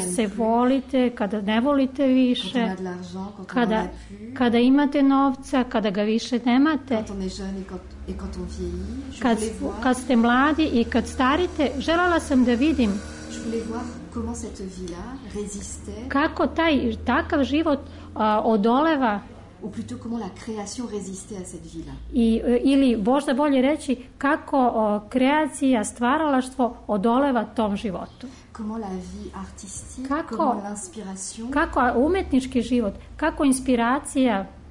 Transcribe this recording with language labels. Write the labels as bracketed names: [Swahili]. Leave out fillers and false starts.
[Serbian] se plus, volite, kada ne volite više, [French] quand on a de l'argent, quand [Serbian] kada, [French] on a plus, [Serbian] kada imate novca, kada ga više nemate, [French] quand on est jeune et quand on vieillit, [Serbian] kad ste mladi i kad starite, željela sam da vidim [French] comment cette vie-là résistait, [Serbian] kako taj takav život odoleva, [French] ou plutôt comment la création résistait à cette vie-là, [Serbian] i ili možda bolje reći kako kreacija, stvaralaštvo odoleva tom životu, [French] comment la vie artistique, [Serbian] kako, [French] comment l'inspiration, [Serbian] kako umetnički život, kako inspiracija